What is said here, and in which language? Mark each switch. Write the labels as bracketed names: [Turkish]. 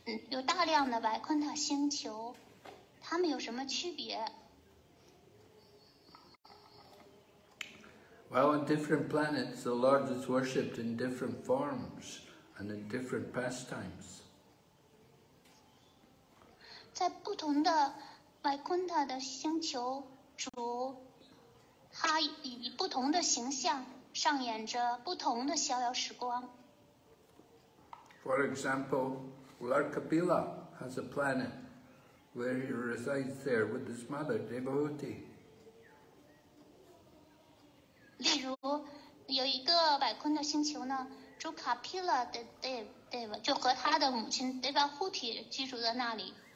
[Chinese] 有大量的白昆塔星球，它们有什么区别？ [English] Well, on different planets, the Lord is worshipped in different forms and in different pastimes. [Chinese] 在不同的白昆塔的星球，主他以不同的形象上演着不同的逍遥时光。 [English] For example, Lord Kapila has a planet where he resides there with his mother, Devahuti. [Chinese] 例如，有一个白昆的星球呢，主卡皮拉的 Dev 就和他的母亲 Devahuti 居住在那里。